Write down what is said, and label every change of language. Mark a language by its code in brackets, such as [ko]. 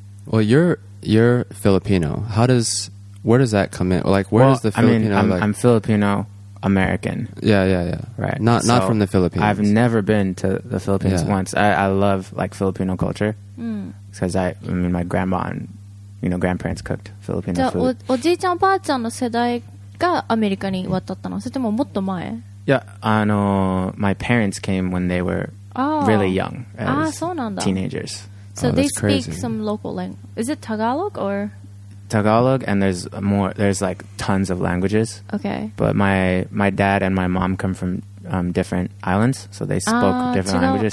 [en] Well, you're Filipino. Where does that come in? Like, where is the Filipino? I'm Filipino American. Yeah. Right. Not from the Philippines. I've never been to the Philippines once. I love, like, Filipino culture. Because my grandma and, you know, grandparents cooked Filipino food. [ja] おじいちゃん、ばあちゃんの世代がアメリカに渡ったの？それとももっと前？ [en] Yeah, my parents came when they were really young as teenagers. So they speak some local language. Is it Tagalog or...? Tagalog, and there's like tons of languages. Okay. But my dad and my mom come from different islands, so they spoke different languages.